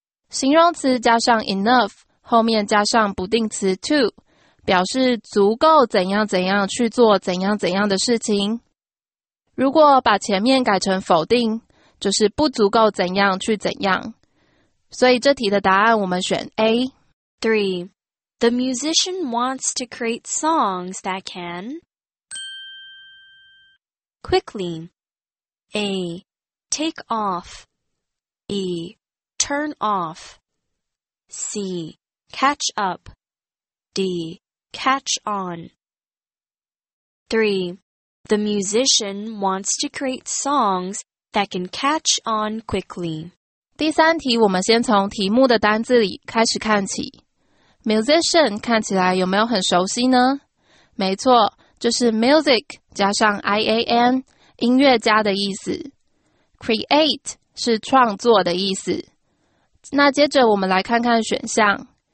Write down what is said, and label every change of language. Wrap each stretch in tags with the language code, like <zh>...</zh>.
<zh>形容词加上 enough 后面加上不定词 to表示足够怎样怎样去做怎样怎样的事情。如果把前面改成否定，就是不足够怎样去怎样。所以这题的答案我们选 A。</zh> <en>3. The musician wants to create songs that can quickly A. Take off B. Turn off C. Catch up D. Catch on. 3. The musician wants to create songs that can catch on quickly.</en> <zh>第三题，我们先从题目的单字里开始看起。 Musician 看起来有没有很熟悉呢？没错，就是 music 加上 ian 音乐家的意思。 Create 是创作的意思。那接着我们来看看选项。</zh>